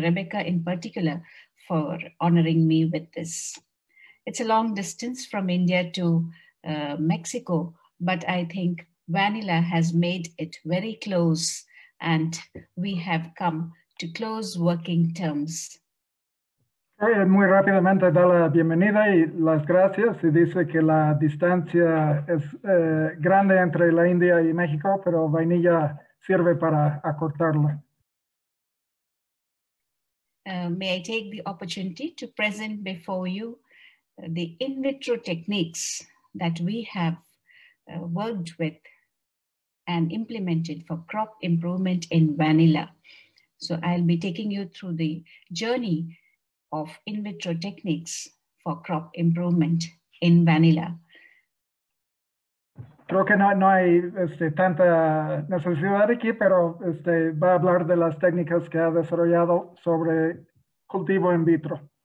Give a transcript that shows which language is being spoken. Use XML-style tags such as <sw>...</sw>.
<en>Rebecca in particular for honoring me with this. It's a long distance from India to Mexico, but I think Vanilla has made it very close and we have come to close working terms.</en> <es>Muy rápidamente da la bienvenida y las gracias y dice que la distancia es grande entre la India y México, pero vainilla sirve para acortarla.</es> <en>May I take the opportunity to present before you the in vitro techniques that we have worked with and implemented for crop improvement in vanilla. So I'll be taking you through the journey of in vitro techniques for crop improvement in vanilla.</en> <es>Creo que no hay tanta necesidad aquí, pero va a hablar de las técnicas que ha desarrollado sobre cultivo in vitro.</es>